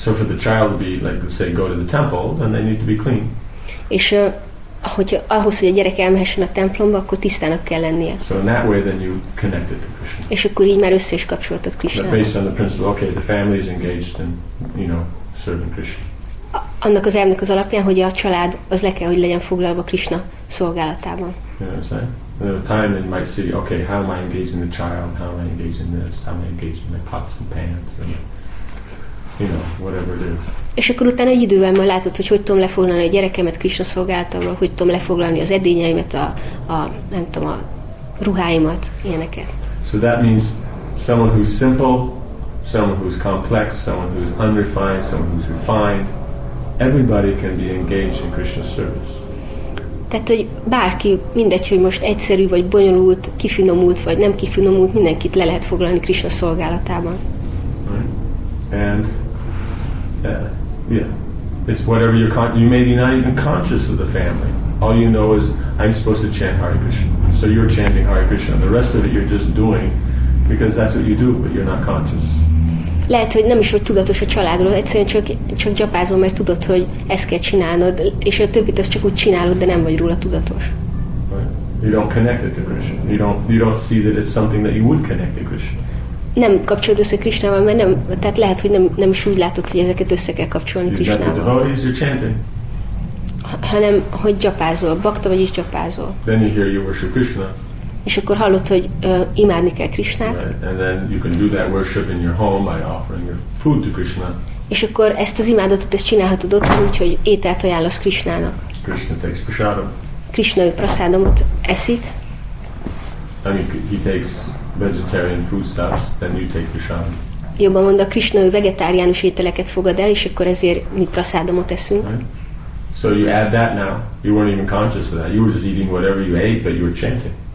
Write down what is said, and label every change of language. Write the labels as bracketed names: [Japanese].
[English] So for the child to be, like, let's say, go to the temple, then they need to be clean. [Hungarian] És ahhoz, hogy a gyerek elmehessen a templomba, akkor tisztának kell lennie. [English] So in that way, then you connect it to Krishna. [Hungarian] És akkor így már össze is kapcsolatod Krishnával. [English] Based on the principle, okay, the family is engaged in, you know, serving Krishna. [Hungarian] Annak az elvnek az alapján, hogy a család az le kell, hogy legyen foglalva Krishna szolgálatában. [English] Yeah, right. Time they might see, okay, how am I engaging the child? How am I engaging this? How am I engaging my pots and pans? And, you know, whatever it is. [Hungarian] És akkor utána egy idővel már látod, hogy tudom lefoglalni a gyerekemet Krishna szolgálatával, hogy tudom lefoglalni az edényeimet, a ruháimat, ilyeneket. [English] So that means someone who's simple, someone who's complex, someone who's unrefined, someone who's refined. Everybody can be engaged in Krishna's service. [Hungarian] Tehát, hogy bárki, mindegy, hogy most egyszerű, vagy bonyolult, kifinomult, vagy nem kifinomult, mindenkit le lehet foglalni Krishna szolgálatában. [English] Right. And, yeah, it's whatever you're conscious, you may be not even conscious of the family. All you know is, I'm supposed to chant Hare Krishna. So you're chanting Hare Krishna, and the rest of it you're just doing, because that's what you do, but you're not conscious. [Hungarian] Lehet, hogy nem is vagy tudatos a családról, egyszerűen csak gyapázol, mert tudod, hogy ezt kell csinálnod, és a többit azt csak úgy csinálod, de nem vagy róla tudatos. [English] You don't connect it to Krishna. You don't see that it's something that you would connect to Krishna. [Hungarian] Nem kapcsolod össze Krishnával, mert nem, tehát lehet, hogy nem is úgy látod, hogy ezeket össze kell kapcsolni Krishnával. Hanem, hogy gyapázol, bakta vagyis gyapázol. [English] Then you hear you worship Krishna. [Hungarian] És akkor hallod, hogy imádni kell Krishnát. [English] Right. And then you can do that worship in your home by offering your food to Krishna. [Hungarian] És akkor ezt az imádatot ezt csinálhatod otthon, úgyhogy ételt ajánlasz Krishnának. [English] Krishna takes prasadam. [Hungarian] Krishna ő prasadamot eszik. [English] I mean, he takes vegetarian foodstuffs, then you take prasadam. [Hungarian] Jobban mondva, Krishna ő vegetáriánus ételeket fogad el, és akkor ezért mi prasadamot eszünk. [English] Right. So you add that now. You weren't even conscious of that. You were just eating whatever you ate, but you were chanting.